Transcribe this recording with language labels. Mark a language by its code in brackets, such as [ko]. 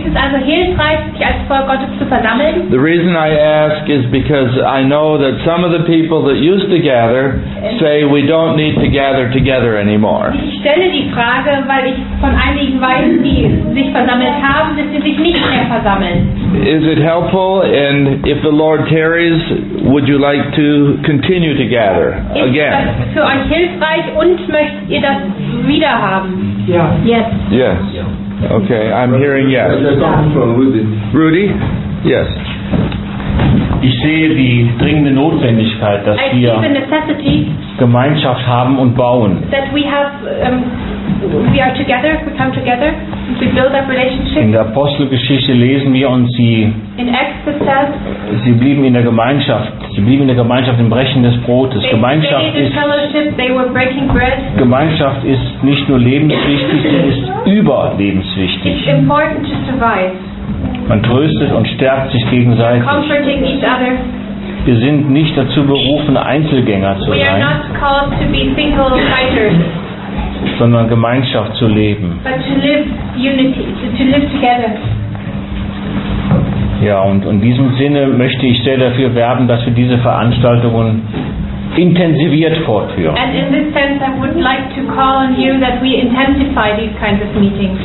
[de] Ist es also hilfreich, sich als Volk Gottes zu versammeln? [en] The reason I ask is because I know that some of the people that used to gather say we don't need to gather together anymore. [de] Ich stelle die Frage, weil ich von einigen weiß, die sich versammelt haben, dass sie sich nicht mehr versammeln. [en] Is it helpful? And if the Lord tarries, would you like to continue to gather again? [de] Ist das für euch hilfreich und möchtet ihr das wieder haben? Ja. [en] Yes. Yes. Okay, I'm hearing yes. Rudy? Yes. [de] Ich sehe die dringende Notwendigkeit, dass wir Gemeinschaft haben und bauen. [en] That we have, we are together, we come together, we build up relationships. [de] In der Apostelgeschichte lesen wir und sie. [en] In Exodus says, [de] sie blieben in der Gemeinschaft. Sie blieben in der Gemeinschaft im Brechen des Brotes. Gemeinschaft ist. [en] They were breaking bread. [de] Gemeinschaft ist nicht nur lebenswichtig, sie ist überlebenswichtig. [en] It's important to survive. [de] Man tröstet und stärkt sich gegenseitig. [en] Comforting each other. [de] Wir sind nicht dazu berufen, Einzelgäner zu sein. [en] We are not called to be single fighters. [de] Sondern Gemeinschaft zu leben. [en] But to live unity, to live together. [de] Ja, und in diesem Sinne möchte ich sehr dafür werben, dass wir diese Veranstaltungen intensiviert fortführen. [en] And in this sense, I would like to call on you that we intensify these kinds of meetings.